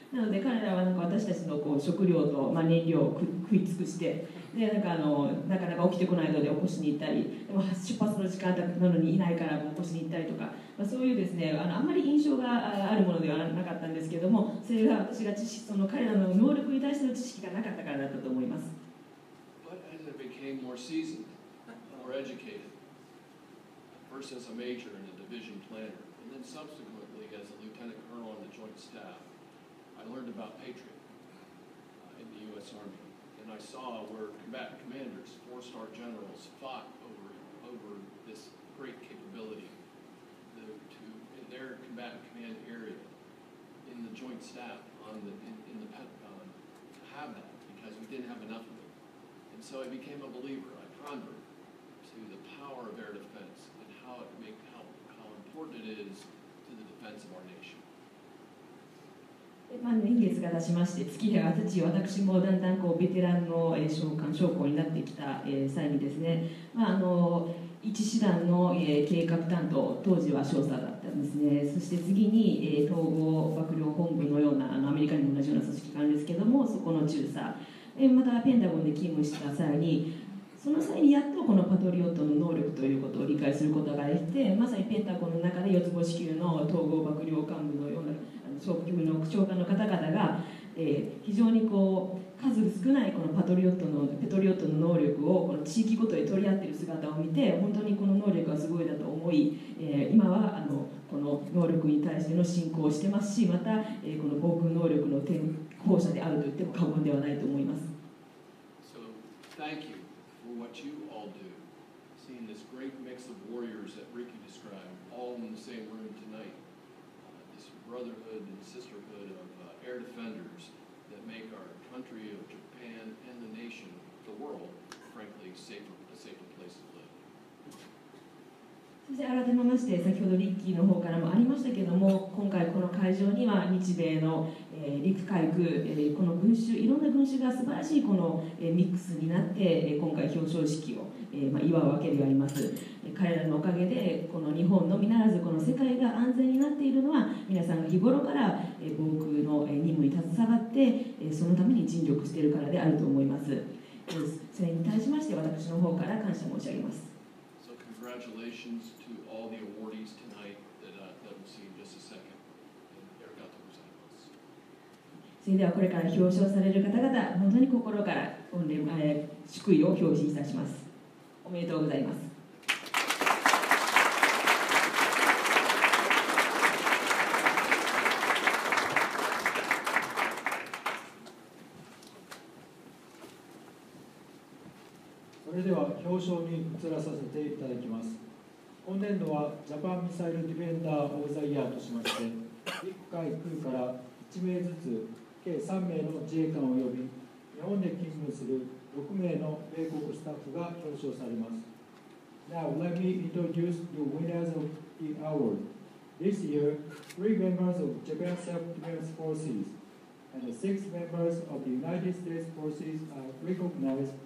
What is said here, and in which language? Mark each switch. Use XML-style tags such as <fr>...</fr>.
<ja>なので彼らはなんか私たちのこう食料と燃料を食い尽くして、でなかなか起きてこないので起こしに行ったり、でも出発の時間だったのにいないから起こしに行ったりとか、そういうですね、あんまり印象があるものではなかったんですけども、それが私が知識、その彼らの能力に対しての知識がなかったからだったと思います。</ja> <en>But as I became more seasoned, more educated, first as a major and a division planner, and then subsequently as a lieutenant colonel on the joint staff,I learned about Patriot in the U.S. Army, and I saw where combatant commanders, four-star generals, fought over this great capability in their combatant command area, in the joint staff, in the Pentagon, to have that, because we didn't have enough of it. And so I became a believer, I pondered, to the power of air defense and how important it is to the defense of our nation.</en> <ja>年月が経ちまして、月日が経ち、私もだんだんこうベテランの将官、将校になってきた際にですね、一師団の計画担当、当時は少佐だったんですね、そして次に統合幕僚本部のような、アメリカにも同じような組織があるんですけども、そこの中佐、またペンタゴンで勤務した際に、その際にやっとこのパトリオットの能力ということを理解することができて、まさにペンタゴンの中で四つ星級の統合幕僚幹部のような。長官の方々が、非常にこう数少ないこのパトリオットのペトリオットの能力をこの地域ごとに取り合っている姿を見て、本当にこの能力はすごいだと思い、今はこの能力に対しての進行をしてますし、また、この防空能力の転向者であると言っても過言ではないと思います。</ja> <en>So thank you for what you all do, seeing this great mix of warriors that Ricky described all in the same room tonightbrotherhood and sisterhood of air defenders that make our country of Japan and the nation, the world, frankly, safer, a safer place to live.</en> <ja>そ改めまして、先ほどリッキーの方からもありましたけれども、今回この会場には日米の、陸海空、この群衆、いろんな群衆が素晴らしいこの、ミックスになって、今回表彰式を、祝うわけであります。彼らのおかげで、この日本のみならず、この世界が安全になっているのは、皆さんが日頃から、防空の任務に携わって、そのために尽力しているからであると思います。それに対しまして、私の方から感謝申し上げます。</ja> <en>Congratulations to all the awardees tonight that we'll see in just a second. And</en> <ja>arigato gozaimasu.</ja> <en>Thank you.</en> <ja>それではこれから表彰される方々、本当に心から御礼、祝意を表示いたします。おめでとうございます。それでは表彰に移らさせていただきます。今年度はジャパンミサイルディフェンダー・オブ・ザ・イヤーとしまして、陸海空から1名ずつ計3名の自衛官を呼び、日本で勤務する6名の米国スタッフが表彰されます。</ja> <en>Now, let me introduce the winners of the award. This year, three members of Japan Self-Defense Forces and six members of the United States Forces are recognized.</en>